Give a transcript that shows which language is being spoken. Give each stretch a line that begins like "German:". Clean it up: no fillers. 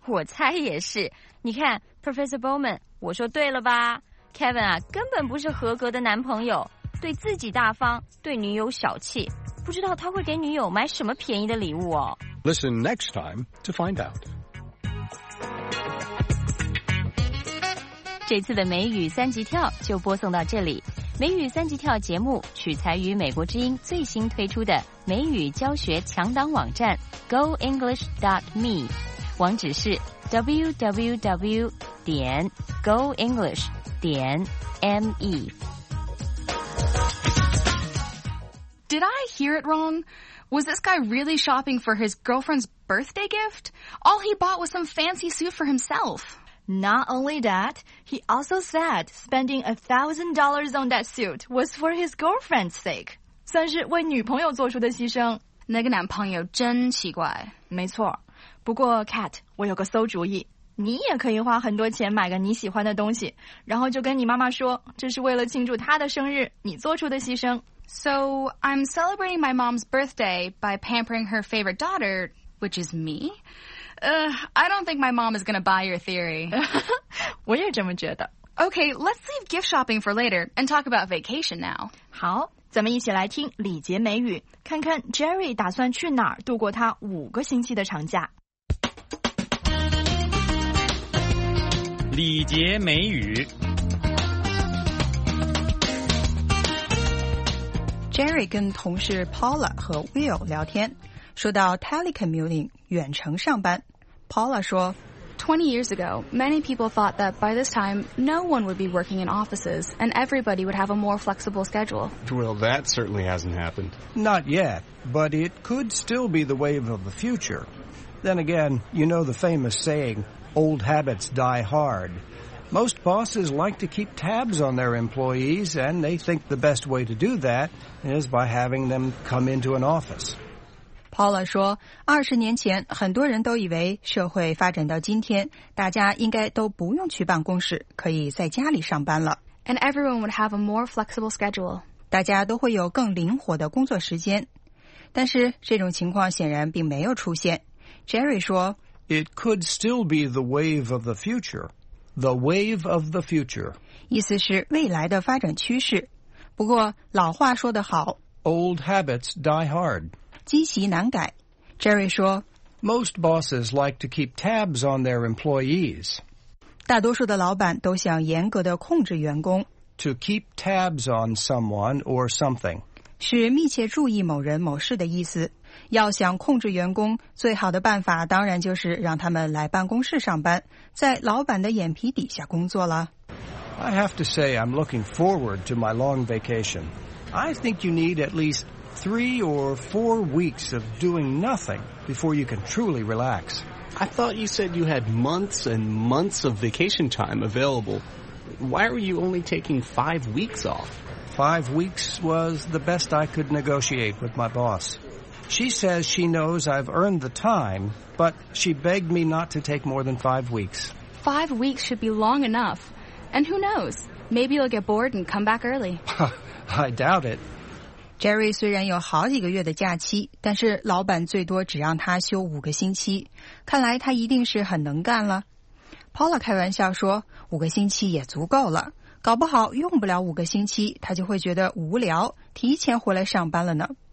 Chinese: 我猜也是。你看 ,Professor Bowman, 我说对了吧。Kevin 啊，根本不是合格的男朋友，对自己大方，对女友小气，不知道他会给女友买什么便宜的礼物哦。
English: Listen next time to find out.
Chinese: 这次的美语三级跳就播送到这里。美语三级跳节目取材于美国之音最新推出的美语教学强档网站 goenglish.me， 网址是 www.goenglish.me.
English: Did I hear it wrong? Was this guy really shopping for his girlfriend's birthday gift? All he bought was some fancy suit for himself. Not only that, he also said spending $1,000 on that suit was for his girlfriend's sake.
Chinese: 算是为女朋友做出的牺牲。那个男朋友真奇怪。没错。不过 Kat, 我有个馊主意。你也可以花很多钱买个你喜欢的东西，然后就跟你妈妈说，这是为了庆祝她的生日，你做出的牺牲。
English: So, I'm celebrating my mom's birthday by pampering her favorite daughter, which is me? I don't think my mom is going to buy your theory.
Chinese: 我也这么觉得。
English: Okay, let's leave gift shopping for later and talk about vacation now.
Chinese: 好，咱们一起来听礼节美语，看看 Jerry 打算去哪儿度过他5个星期的长假。礼节美语。 Jerry 跟同事 Paula 和 Will 聊天，说到 telecommuting 远程上班。 Paula 说
English: ，20 years ago, many people thought that by this time, no one would be working in offices and everybody would have a more flexible schedule. Well, that certainly hasn't happened. Not yet, but it could still be the wave of the future. Then again, you know the famous saying. Old habits die hard. Most bosses like to keep tabs on their employees, and they think the best way to do that is by having them come into an office.
Chinese: Paula 说，20年前很多人都以为社会发展到今天，大家应该都不用去办公室，可以在家里上班了。
English: And everyone would have a more flexible schedule.
Chinese: 大家都会有更灵活的工作时间。但是这种情况显然并没有出现。 Jerry 说，
English: It could still be the wave of the future. The wave of the future.
Chinese: 意思是未来的发展趋势。不过老话说得好。
English: Old habits die hard.
Chinese: 积习难改。Jerry 说
English: Most bosses like to keep tabs on their employees.
Chinese: 大多数的老板都想严格地控制员工。
English: To keep tabs on someone or something.
Chinese: 是密切注意某人某事的意思。要想控制员工，最好的办法当然就是让他们来办公室上班，在老板的眼皮底下工作了。
English: I have to say I'm looking forward to my long vacation. I think you need at least 3 or 4 weeks of doing nothing before you can truly relax. I thought you said you had months and months of vacation time available. Why are you only taking 5 weeks off? 5 weeks was the best I could negotiate with my boss. She says she knows I've earned the time, but she begged me not to take more than 5 weeks. 5 weeks should be long enough. And who knows? Maybe you'll get bored and come back early. I doubt it.
Chinese: Jerry 虽然有好几个月的假期，但是老板最多只让他休5个星期。看来他一定是很能干了。Paula 开玩笑说，五个星期也足够了。搞不好用不了5个星期，他就会觉得无聊，提前回来上班了呢。